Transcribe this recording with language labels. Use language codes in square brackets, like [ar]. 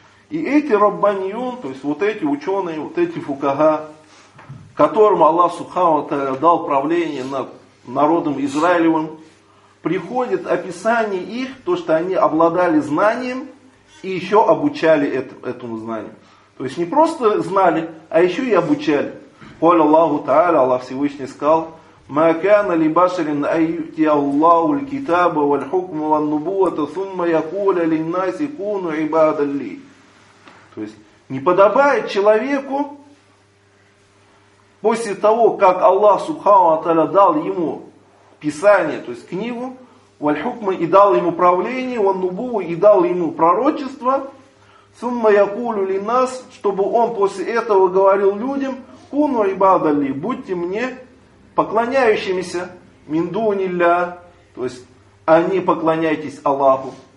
[ru] И эти Раббаньюн, то есть вот эти ученые, вот эти фукаха, которым Аллах Субхану ва-Тааля дал правление над народом Израилевым, приходит описание их, то что они обладали знанием и еще обучали этому знанию. То есть не просто знали, а еще и обучали. Коль Аллаху Та'аля, Аллах Всевышний сказал, [ar] ما كان لبشر أن يؤتي الله الكتاب والحكم والنبوة ثم يقول للناس كونوا عبادا لي. [ru] То есть не подобает человеку после того, как Аллах Субхану ва Тааля дал ему писание, то есть книгу, والحكم и дал ему правление, والنبوة и дал ему пророчество, [ar] ثم يقول للناس, [ru] чтобы он после этого говорил людям, [ar] كونوا عبادا لي, [ru] будьте мне поклоняющимися миндунилля, то есть они поклоняйтесь Аллаху.